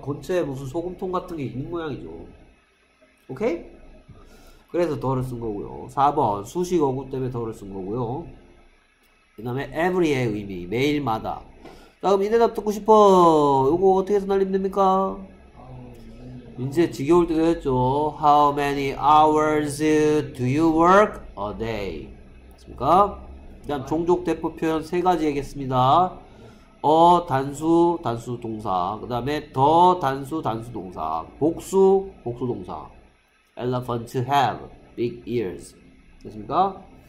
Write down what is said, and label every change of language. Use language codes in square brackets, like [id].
[ko] 근처에 무슨 소금통 같은 게 있는 모양이죠. 오케이? 그래서 더를 쓴 거고요. 4번. 수식어구 때문에 더를 쓴 거고요. 그 다음에 every의 의미, 매일마다. 자, 그럼 이 대답 듣고 싶어. 요거 어떻게 해서 날리면 됩니까? 이제 지겨울 때 됐죠. [en] How many hours do you work a day? [ko] 맞습니까? 그다음 종족 대표 표현 세 가지 얘기했습니다. 어, 단수, 단수 동사. 그 다음에 더, 단수, 단수 동사. 복수, 복수 동사. [en] Elephant have big ears. [ko] 됐습니까?